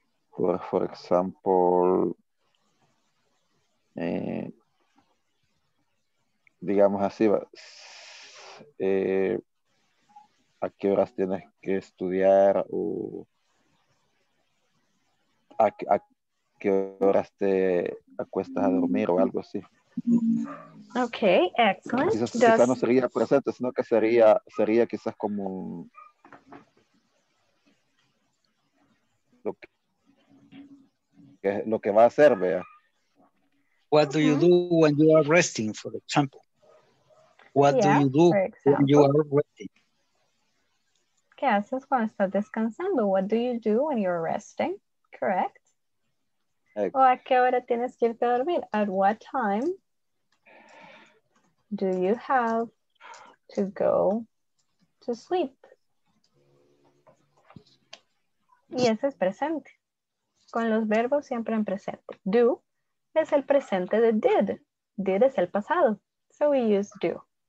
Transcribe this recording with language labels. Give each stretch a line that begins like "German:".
English: For example,
Spanish: digamos así, ¿a qué horas tienes que estudiar o a qué horas te acuestas a dormir o algo así?
English: Okay, excellent.
Spanish: Quizás no sería presente, sino que sería quizás como lo que va a hacer, vea.
English: What do you do when you are resting, for example? What do you do when you are resting?
Spanish: ¿Qué haces cuando estás descansando?
English: What do you do when you're resting? Correct.
Spanish: ¿O a qué hora tienes que irte a dormir?
English: At what time do you have to go to sleep?
Spanish: Y ese es presente. Con los verbos siempre en presente. Do es el presente de did. Did es el pasado.
English: So we use do.